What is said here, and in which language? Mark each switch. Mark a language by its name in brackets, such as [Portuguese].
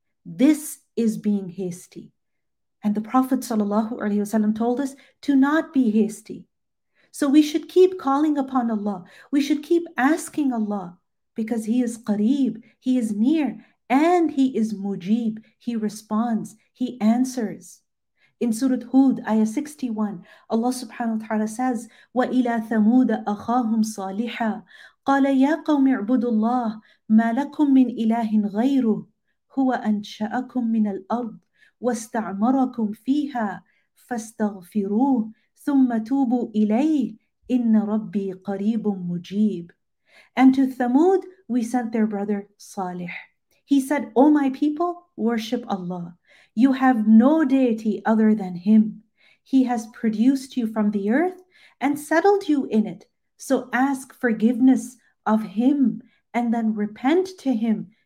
[English] This is being hasty. And the Prophet sallallahu alaihi wasallam told us to not be hasty. So we should keep calling upon Allah. We should keep asking Allah, because He is qareeb, He is near, and He is mujib. He responds, He answers. In Surah Hud, ayah 61, Allah subhanahu wa ta'ala says, [Arabic] وَإِلَىٰ ثَمُودَ أَخَاهُمْ صَالِحًا قَالَ يَا قَوْمِ اعْبُدُوا اللَّهِ مَا لَكُمْ مِنْ إِلَٰهٍ غَيْرُهُ هُوَ أَنْشَأَكُمْ مِنَ الْأَرْضِ وَاسْتَعْمَرَكُمْ فِيهَا فَاسْتَغْفِرُوهُ ثُمَّ تُوبُوا إِلَيْهِ إِنَّ رَبِّي قَرِيبٌ مُجِيبٌ. [English] And to Thamud, we sent their brother Salih. He said, O my people, worship Allah. You have no deity other than Him. He has produced you from the earth and settled you in it. So ask forgiveness of Him and then repent to Him.